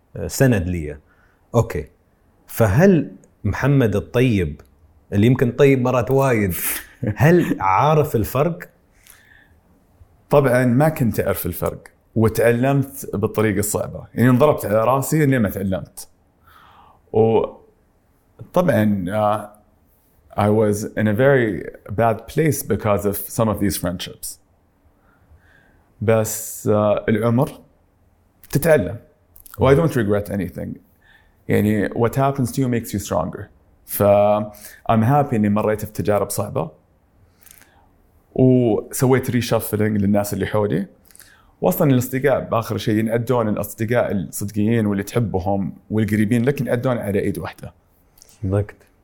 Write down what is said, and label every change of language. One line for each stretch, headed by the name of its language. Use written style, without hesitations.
Arabic: سند لي أوكي. فهل محمد الطيب اللي يمكن طيب مرات وايد هل عارف الفرق؟ طبعا ما كنت أعرف الفرق وتعلمت بالطريقة الصعبة، يعني انضربت على رأسي إني ما تعلمت.
English: وطبعا I was in a very bad place because of some of these friendships.
Arabic: بس العمر تتعلم.
English: Well, I don't regret anything. يعني what happens to you makes you stronger.
Arabic: ف
English: I'm happy
Arabic: إني مريت في تجارب صعبة. وسويت reshuffling للناس اللي حولي. وأصلاً الأصدقاء بآخر شيء ينعدون الأصدقاء الصدقيين واللي تحبهم والقريبين لك ينعدون على إيد واحدة. صدقت.